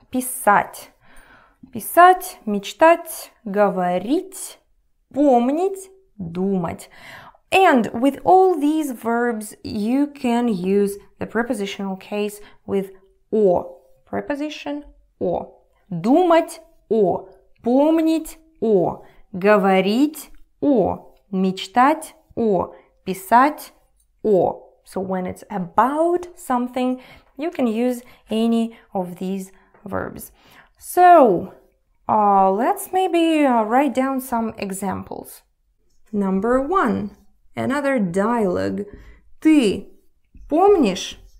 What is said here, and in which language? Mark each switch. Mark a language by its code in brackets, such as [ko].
[ru] Писать, мечтать, говорить, помнить, думать. [en] And with all these verbs, you can use the prepositional case with о. [ru] Preposition о. Думать о. Помнить о, говорить о, мечтать о, писать о. [en] So when it's about something, you can use any of these verbs. So let's maybe write down some examples. Number one, another dialogue. [ru] Ты помнишь?